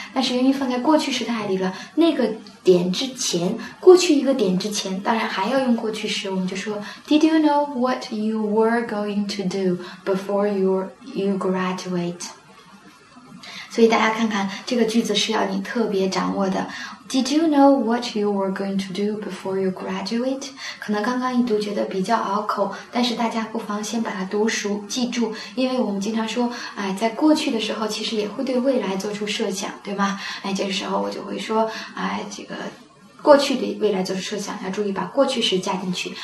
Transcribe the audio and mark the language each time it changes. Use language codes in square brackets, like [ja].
[zh] 但是由于放在过去时态里了，那个点之前，过去一个点之前当然还要用过去时，我们就说 [en] Did you know what you were going to do before you graduate? [zh] 所以大家看看这个句子是要你特别掌握的。 [en] Did you know what you were going to do before you graduate? [zh] 可能刚刚一读觉得比较拗口，但是大家不妨先把它读熟记住，因为我们经常说，哎，在过去的时候其实也会对未来做出设想，对吗？哎，这个时候我就会说，哎，这个过去的未来就是设想，要注意把过去时加进去。